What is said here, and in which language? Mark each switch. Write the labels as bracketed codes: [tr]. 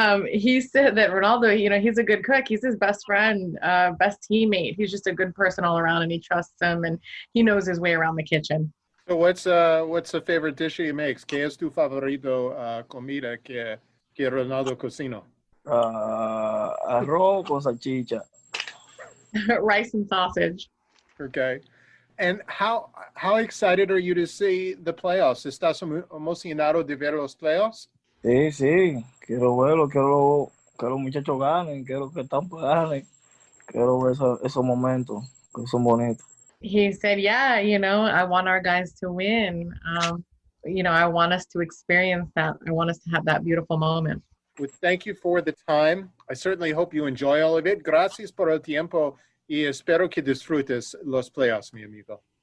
[en] He said that Ronaldo, you know, he's a good cook. He's his best friend, best teammate. He's just a good person all around, and he trusts him, and he knows his way around the kitchen. So what's a favorite dish he makes? [es] ¿Qué es tu favorito comida que Ronaldo cocina? Arroz con salchicha. [en] Rice and sausage. Okay. And how excited are you to see the playoffs? [es] ¿Estás emocionado de ver los playoffs? Sí, sí. Quiero verlo. Quiero que los muchachos ganen. Quiero que Tampa gane. Quiero ver esos momentos que son bonitos. [en] He said, yeah, you know, I want our guys to win. You know, I want us to experience that. I want us to have that beautiful moment. Well, thank you for the time. I certainly hope you enjoy all of it. [es] Gracias por el tiempo. Y espero que disfrutes los playoffs, mi amigo.